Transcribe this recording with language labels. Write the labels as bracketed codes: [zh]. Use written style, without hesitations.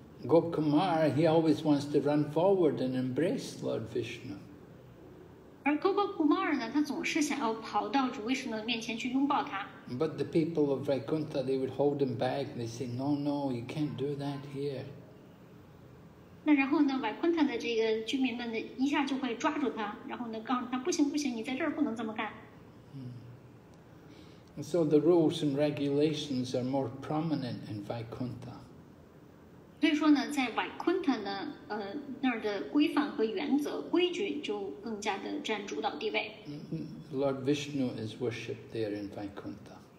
[en] Gopkumar, he always wants to run forward and embrace Lord Vishnu. [zh] 而 Gopkumar 呢，他总是想要跑到主 Vishnu 面前去拥抱他。 [en] But the people of Vaikuntha, they would hold him back. They say, "No, no, you can't do that here." [zh] 那然后呢 ，Vaikuntha 的这个居民们呢，一下就会抓住他，然后呢，告诉他，不行不行，你在这儿不能这么干。 [en] And so the rules and regulations are more prominent in Vaikuntha. [zh] 所以说呢，在 Vaikuntha 呢，那儿的规范和原则、规矩就更加的占主导地位。 [en] Lord Vishnu is worshipped there in Vaikuntha.